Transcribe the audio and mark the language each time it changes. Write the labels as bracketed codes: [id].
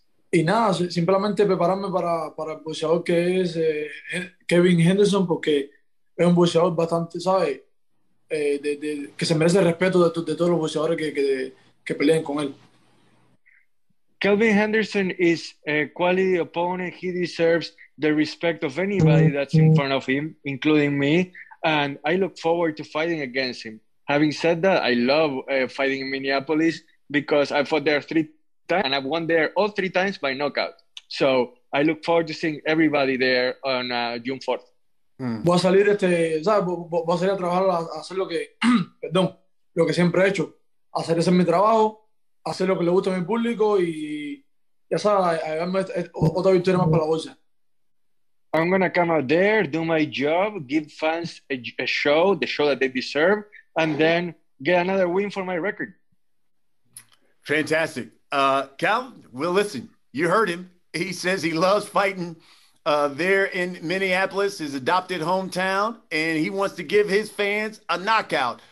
[es] Y nada, simplemente prepararme para el boxeador que es Kevin Henderson, porque es un boxeador bastante, ¿sabes? Que se merece el respeto de todos los boxeadores que peleen con él. [en] Kelvin Henderson is a quality opponent. He deserves the respect of anybody that's in front of him, including me. And I look forward to fighting against him. Having said that, I love fighting in Minneapolis because I fought there three times and I won there all three times by knockout. So I look forward to seeing everybody there on June 4th. [es] Voy a salir, voy a salir a trabajar, a hacer lo que, perdón, lo que siempre he hecho. Hacer ese mi trabajo. Hacer lo que le gusta a mi público y ya sabes, otra victoria más para la bolsa. [en] I'm going to come out there, do my job, give fans a show, the show that they deserve, and then get another win for my record. Fantastic. Calvin, well, listen, you heard him. He says he loves fighting there in Minneapolis, his adopted hometown, and he wants to give his fans a knockout.